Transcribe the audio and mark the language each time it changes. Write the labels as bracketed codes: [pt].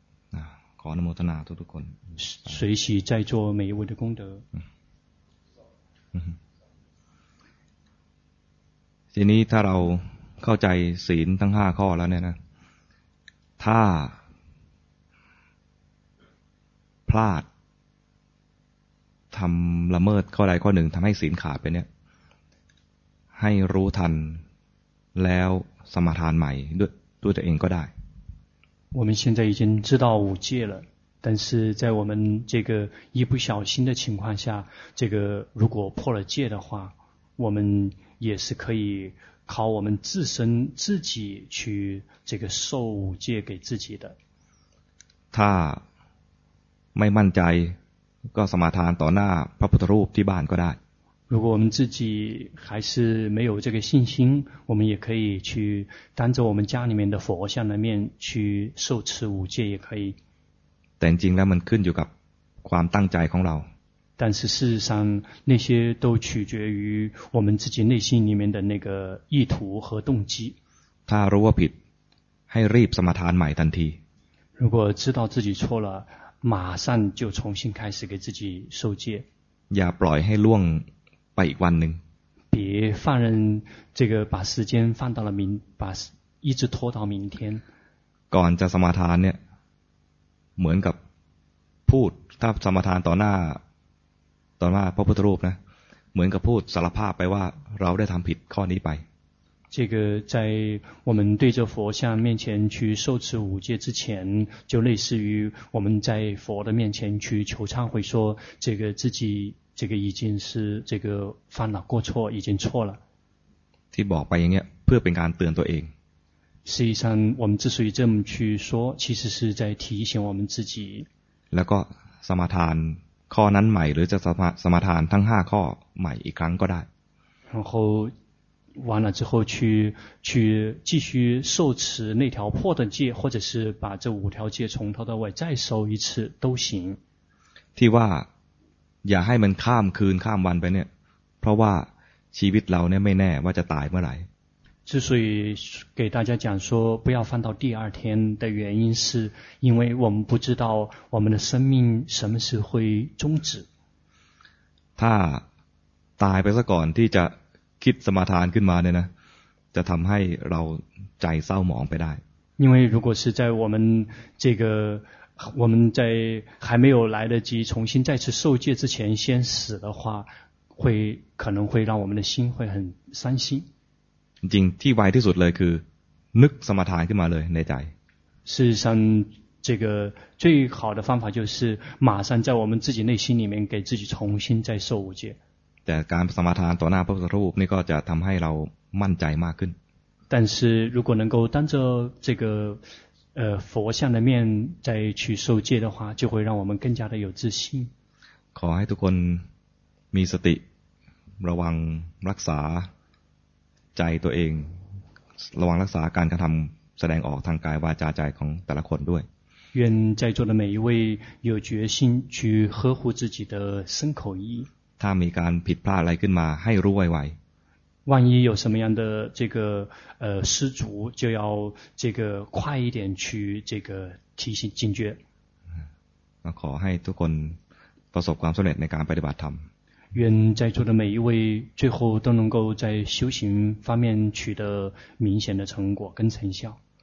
[th] 啊，ขออนุโมทนาทุกคน。 [zh] 随喜在做每一位的功德。 [th] ทีนี้ถ้าเราเข้าใจศีลทั้งห้าข้อแล้วเนี่ยนะถ้าพลาดทำละเมิดข้อใดข้อหนึ่งทำให้ศีลขาดไปเนี่ยให้รู้ทันแล้วสมาทานใหม่ด้วยตัวเองก็ได้ [zh] 我们现在已经知道五戒了但是在我们这个一不小心的情况下这个如果破了戒的话我们也是可以靠我们自身自己去这个受五戒给自己的 [th] ถ้าไม่มั่นใจก็สมาทานต่อหน้าพระพุทธรูปที่บ้านก็ได้ [zh] 如果我们自己还是没有这个信心我们也可以去当着我们家里面的佛像的面去受持五戒也可以 [th] แต่จริงแล้วมันขึ้นอยู่กับความตั้งใจของเรา [zh] 但是事实上那些都取决于我们自己内心里面的那个意图和动机 [th] ถ้ารู้ว่าผิดให้รีบสมาทานใหม่ทันที [zh] 如果知道自己错了马上就重新开始给自己受戒 [th] อย่าปล่อยให้ล่วงไปอีกวันนึง [zh] 别放任这个把时间放到了明把一直拖到明天 [th] ก่อนจะสมาทานเนี่ยเหมือนกับพูดถ้าสมาทานต่อหน้าพระพุทธรูปนะเหมือนกับพูดสารภาพไปว่าเราได้ทำผิดข้อนี้ไป [zh] 这个在我们对着佛像面前去受持五戒之前就类似于我们在佛的面前去求忏悔说这个自己这个已经是这个犯了过错已经错了 [th] ที่บอกไปอย่างเงี้ยเพื่อเป็นการเตือนตัวเอง [zh] 实际上我们之所以这么去说其实是在提醒我们自己 [th] แล้วก็สมาทานข้อนั้นใหม่หรือจะสมาทานทั้ง5ข้อใหม่อีกครั้งก็ได้ [zh] 然后完了之后去继续受持那条破的戒或者是把这五条戒从头到尾再受一次都行 [th] ที่ว่าอย่าให้มันข้ามคืนข้ามวันไปเนี่ยเพราะว่าชีวิตเราเนี่ยไม่แน่ว่าจะตายเมื่อไหร่ [zh] 之所以给大家讲说不要放到第二天的原因是因为我们不知道我们的生命什么时候会终止 [th] ถ้าตายไปซะก่อนที่จะคิดสมาทานขึ้นมาเนี่ยนะจะทำให้เราใจเศร้าหมองไปได้ [zh] 因为如果是在我们这个我们在还没有来得及重新再次受戒之前先死的话会可能会让我们的心会很伤心 [th] จริงที่ไวที่สุดเลยคือนึกสมาทานขึ้นมาเลยในใจ [zh] 事实上这个最好的方法就是马上在我们自己内心里面给自己重新再受五戒 [th] แต่การสมาทานต่อหน้าพระพุทธรูปนี่ก็จะทำให้เรามั่นใจมากขึ้น [zh] 但是如果能够当着这个佛像的面再去受戒的话就会让我们更加的有自信 [th] ขอให้ทุกคนมีสติระวังรักษาใจตัวเองระวังรักษาการกระทำแสดงออกทางกายวาจาใจของแต่ละคนด้วย [zh] 愿在座的每一位有决心去呵护自己的身口意 [th] ถ้ามีการผิดพลาดอะไรขึ้นมาให้รู้ไวๆ [zh] 万一有什么样的这个失足就要这个快一点去这个提醒警觉 [th] ขอให้ทุกคนประสบความสำเร็จในการปฏิบัติธรรม [zh] 愿在座的每一位最后都能够在修行方面取得明显的成果跟成效